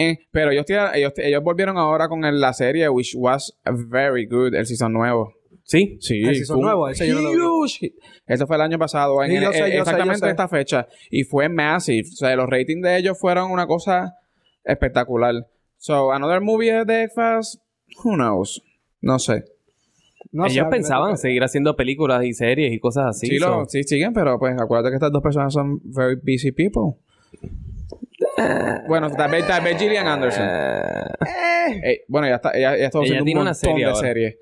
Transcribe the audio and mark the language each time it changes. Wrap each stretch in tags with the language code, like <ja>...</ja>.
<es>Pero ellos volvieron ahora con la serie,</es> <en>which was very good,</en> <es>el season nuevo. ¿Sí? Sí. El season nuevo. Ese</es> <en>huge.</en> <es>Yo no lo... Eso fue el año pasado. Sí, exactamente esta fecha. Y fue</es> <en>massive.</en> <es>O sea, los ratings de ellos fueron una cosa espectacular.</es> <en>So, another movie de X-Files, who knows.</en> <es>No sé. No, ellos pensaban seguir haciendo películas y series y cosas así. Sí, sí siguen, pero pues acuérdate que estas dos personas son</es> <en>very busy people.</en> <es>Bueno, tal vez Gillian Anderson. Bueno, ya está haciendo un montón serie de series.</es>